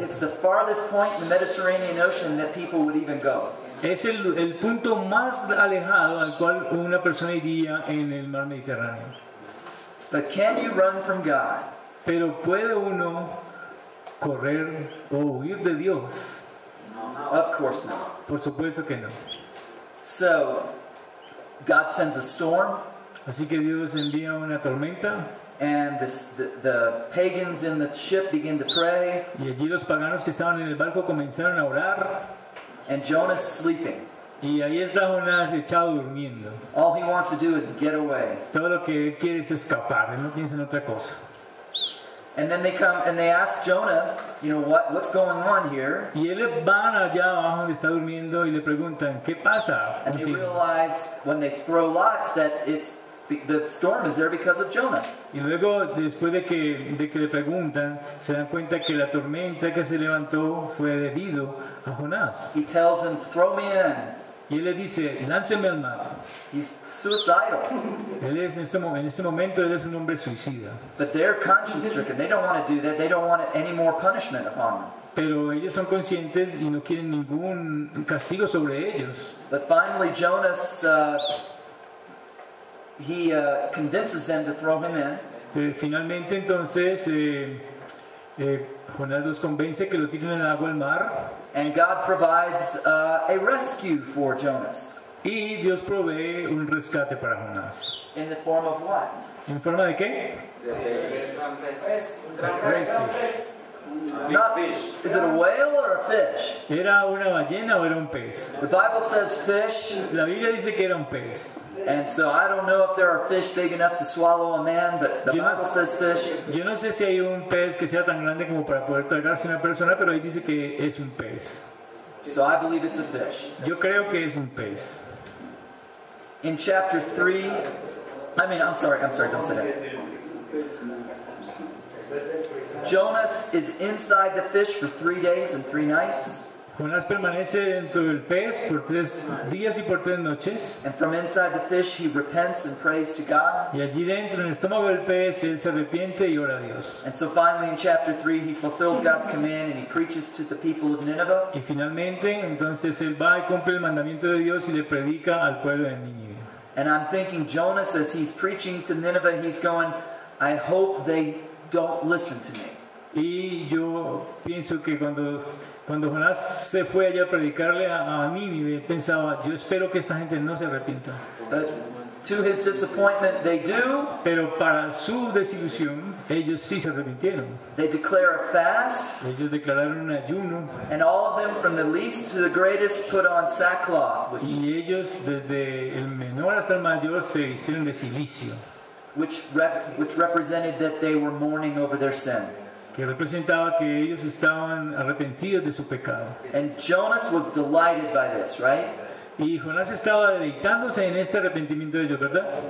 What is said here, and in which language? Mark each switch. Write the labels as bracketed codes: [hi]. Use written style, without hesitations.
[en] It's the farthest point in the Mediterranean Ocean that people would even go. [es] Es el punto más alejado al cual una persona iría en el mar Mediterráneo. [en] But can you run from God? [es] Pero puede uno correr o huir de Dios? [en] No. Of course not. [es] Por supuesto que no. [en] So, God sends a storm. [es] Así que Dios envía una tormenta. [en] And the pagans in the ship begin to pray. [es] Y allí los paganos que estaban en el barco comenzaron a orar. [en] And Jonah's sleeping. [es] Y ahí está Jonás echado durmiendo. [en] All he wants to do is get away. [es] Todo lo que él quiere es escapar. Él no piensa en otra cosa. [en] And then they come and they ask Jonah, you know, what's going on here? [es] Y él van allá abajo donde está durmiendo y le preguntan, ¿qué pasa? [en] And they realize when they throw lots that it's the storm is there because of Jonah. [es] Y luego después de que le preguntan, se dan cuenta que la tormenta que se levantó fue debido a Jonás. [en] He tells them, throw me in. [es] Y él le dice, lánceme al mar. [en] He's suicidal. [es] Él es en este momento él es un hombre suicida. [en] But they're conscience stricken. They don't want to do that. They don't want any more punishment upon them. [es] Pero ellos son conscientes y no quieren ningún castigo sobre ellos. [en] But finally Jonas he convinces them to throw him in. [es] Finalmente entonces Jonás los convence que lo tiren en el agua al mar. [en] And God provides a rescue for Jonas. [es] Y Dios provee un rescate para Jonás. [en] In the form of what? [es] ¿En forma de qué? Un pez. [en] Is it a whale or a fish? [es] ¿Era una ballena o era un pez? [en] The Bible says fish. [es] La Biblia dice que era un pez. [en] And so I don't know if there are fish big enough to swallow a man, but the Bible says fish. [es] Yo no sé si hay un pez que sea tan grande como para poder tragarse una persona, pero ahí dice que es un pez. [en] So I believe it's a fish. [es] Yo creo que es un pez. [en] In chapter 3, I'm sorry, don't say that. Jonas is inside the fish for 3 days and 3 nights. [es] Jonás permanece dentro del pez por tres días y por tres noches. [en] And from inside the fish, he repents and prays to God. [es] Y allí dentro, en el estómago del pez, él se arrepiente y ora a Dios. [en] And so finally, in chapter 3, he fulfills God's command and he preaches to the people of Nineveh. [es] Y finalmente, entonces él va y cumple el mandamiento de Dios y le predica al pueblo de Nínive. [en] And I'm thinking, Jonas, as he's preaching to Nineveh, he's going, I hope they don't listen to me. [es] Y yo pienso que cuando Jonás se fue allá a predicarle a Nínive, pensaba, yo espero que esta gente no se arrepienta. [en] But to his disappointment, they do. [es] Pero para su desilusión, ellos sí se arrepintieron. [en] They declare a fast. [es] Ellos declararon un ayuno. [en] And all of them, from the least to the greatest, put on sackcloth. [es] Y ellos, desde el menor hasta el mayor, se vistieron de cilicio. [en] Which represented that they were mourning over their sin. [es] Que representaba que ellos estaban arrepentidos de su pecado. [en] And Jonas was delighted by this, right? [es] Y Jonás estaba deleitándose en este arrepentimiento de ellos, ¿verdad?